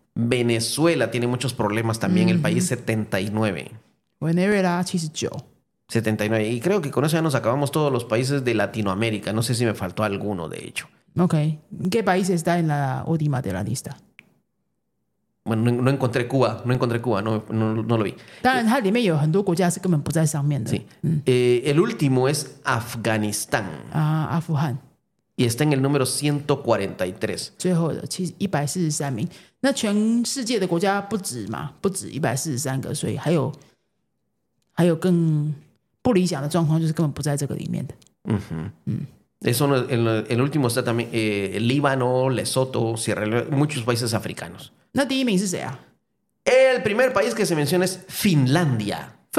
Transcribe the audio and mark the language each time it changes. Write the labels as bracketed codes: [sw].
[es] Venezuela tiene muchos problemas también, el país 79. Venezuela, 79. 79. Y creo que con eso ya nos acabamos todos los países de Latinoamérica. No sé si me faltó alguno, de hecho. Ok. ¿Qué país está en la última de la lista? Bueno, no encontré Cuba, no encontré Cuba, no lo vi. [zh] 当然它里面有很多国家是根本不在上面的。 [es] Sí. El último es Afganistán. Ah, Afuhan. Y está en el número 143. [zh] 最后的143名. 那全世界的国家不止嘛，不止143个，所以还有更不理想的状况，就是根本不在这个里面的。嗯哼， [es] Eso en el último está también Líbano, Lesoto, Sierra Leone, muchos países africanos. [zh] ¿那第一名是谁啊? [es] El primer país que se menciona es Finlandia.